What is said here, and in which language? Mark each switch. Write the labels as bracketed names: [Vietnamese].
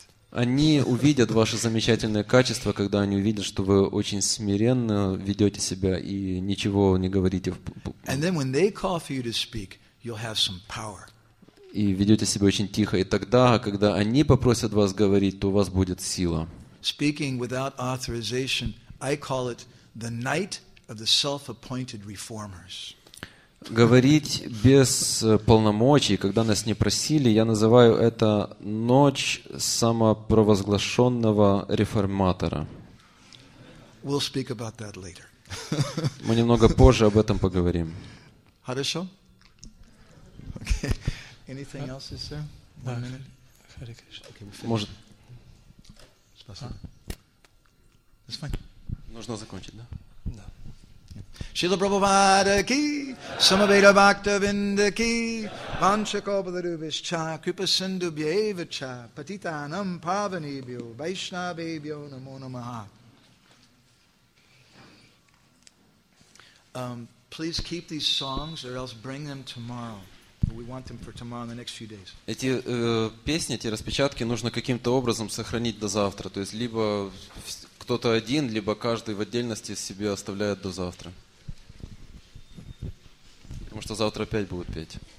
[Russian] Они увидят ваши замечательные качества, когда они увидят, что вы очень смиренно ведете себя и ничего не говорите. [English] And then when they call for you to speak, you'll have some power. [Russian] И ведете себя очень тихо. И тогда, когда они попросят вас говорить, то у вас будет сила. [English] Speaking without authorization, I call it the night of the self-appointed reformers. [Russian] Говорить без полномочий, когда нас не просили, я называю это ночь самопровозглашенного реформатора. [English] We'll speak about that later. [Russian] Мы немного позже об этом поговорим. Хорошо? [English] Okay. Anything else, sir? One minute. [Russian] Может. Спасибо. [English] It's fine. [Russian] Нужно закончить, да? [Sanskrit] Shila Prabhupada ki, Samaveda Bhakta Vinda ki, Vanchakobadarubhish cha, Kripa Sindhu Bhyeva cha, Patita Anam Pavanibhyo, Vaishnavibhyo Namo Namaha. [English] Please keep these songs or else bring them tomorrow. We want them for tomorrow in the next few days. [Russian] Эти песни, эти распечатки нужно каким-то образом сохранить до завтра. То есть либо кто-то один, либо каждый в отдельности себе оставляет до завтра. Потому что завтра опять будут петь.